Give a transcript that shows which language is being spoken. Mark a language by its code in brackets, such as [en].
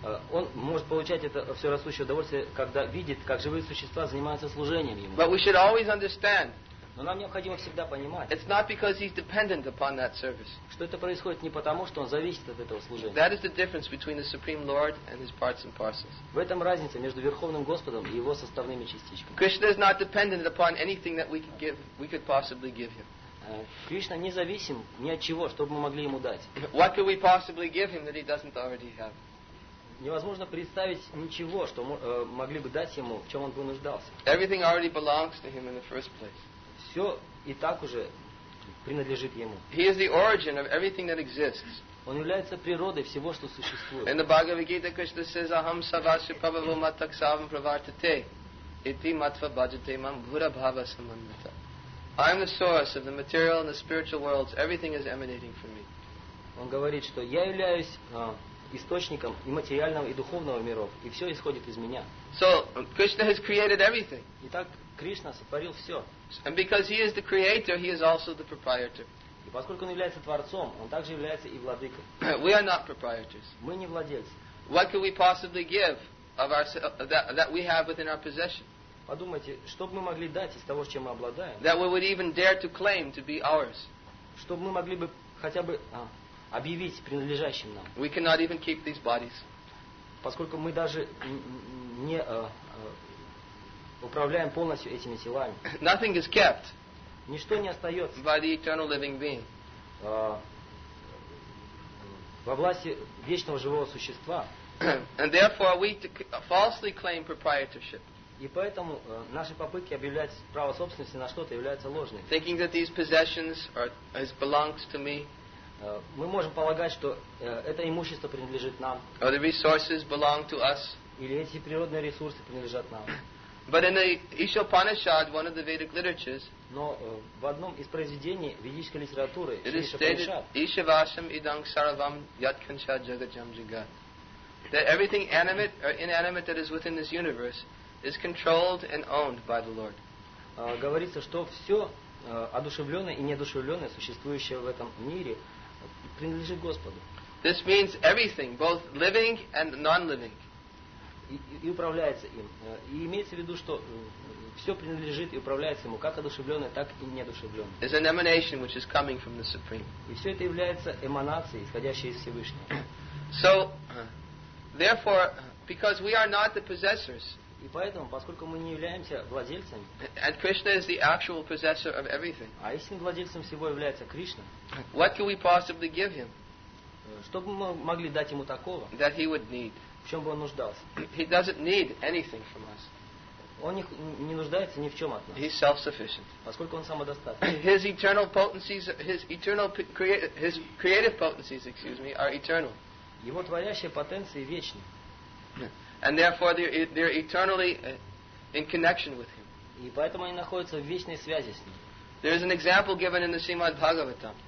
[ru] Он может получать это все растущее удовольствие, когда видит, как живые существа занимаются служением ему. [en] But we should always understand. [ru] Но нам необходимо всегда понимать. [en] It's not because he's dependent upon that service. [ru] Что это происходит не потому, что он зависит от этого служения. [en] That is the difference between the Supreme Lord and his parts and parcels. [ru] В этом разница между Верховным Господом и его составными частичками. [en] Krishna is not dependent upon anything that we could give, we could possibly give him. [ru] Кришна независим ни от чего, что бы мы могли ему дать. [en] What could we possibly give him that he doesn't already have? [ru] Невозможно представить ничего, что могли бы дать ему, в чем он бы нуждался. [en] Everything already belongs to him in the first place. [ru] Все и так уже принадлежит ему. [en] He is the origin of everything that exists. [ru] Он является природой всего, что существует. [en] In the Bhagavad Gita, Krishna says, [sa] "Aham savasya prabhavo mataksavam pravartate iti matva bhajate mam bhura bhava samanvita." [en] I am the source of the material and the spiritual worlds. Everything is emanating from me. [ru] Он говорит, что я являюсь источником и материального, и духовного миров, и все исходит из меня. [en] So, Krishna has created everything. [ru] Итак, Кришна сотворил все. [en] And because he is the creator, he is also the proprietor. [ru] И поскольку он является творцом, он также является и владыкой. [en] We are not proprietors. [ru] Мы не владельцы. [en] What could we possibly give of that we have within our possession? [ru] Подумайте, что бы мы могли дать из того, чем мы обладаем? [en] That we would even dare to claim to be ours. [ru] Чтобы мы могли бы хотя бы объявить принадлежащим нам. [en] We cannot even keep these bodies. [ru] Поскольку мы даже не управляем полностью этими телами. [en] Nothing is kept. [ru] Ничто не остается. [en] By the eternal living being. [ru] Во власти вечного живого существа. [en] And therefore we falsely claim proprietorship. [ru] И поэтому наши попытки объявлять право собственности на что-то являются ложными. [en] Thinking that these possessions belongs to me. [ru] Мы можем полагать, что это имущество принадлежит нам. [en] Or the resources belong to us. [ru] Или эти природные ресурсы принадлежат нам. [en] But in the Isha Upanishad, one of the Vedic literatures, [ru] но в одном из произведений ведической литературы, [en] it is stated, [sa] Isha Vasham Idang Saravam Yatkancha Jagajam Jagat, [en] that everything animate or inanimate that is within this universe is controlled and owned by the Lord. [ru] Говорится, что все одушевленное и неодушевленное, существующее в этом мире, принадлежит Господу. [en] This means everything, both living and non-living. [ru] И управляется им. И имеется в виду, что все принадлежит и управляется ему, как одушевленное, так и неодушевленное. [en] It's an emanation which is coming from the Supreme. [ru] И все это является эманацией, исходящей из Всевышнего. [en] So, therefore, because we are not the possessors. [ru] И поэтому, поскольку мы не являемся владельцами, [en] and Krishna is the actual possessor of everything, [ru] а истинным владельцем всего является Кришна, [en] what can we possibly give him? [ru] Что бы мы могли дать ему такого, [en] that he would need? [ru] В чем бы он нуждался? [en] He doesn't need anything from us. [ru] Он не нуждается ни в чем от нас. [en] He's self-sufficient. [ru] Поскольку он самодостаточен. [en] His eternal potencies, his creative potencies, excuse me, are eternal. [ru] Его творящие потенции вечны. [en] And therefore they're eternally in connection with him. [ru] И поэтому они находятся в вечной связи с ним. [en] There is an example given in the Srimad Bhagavatam.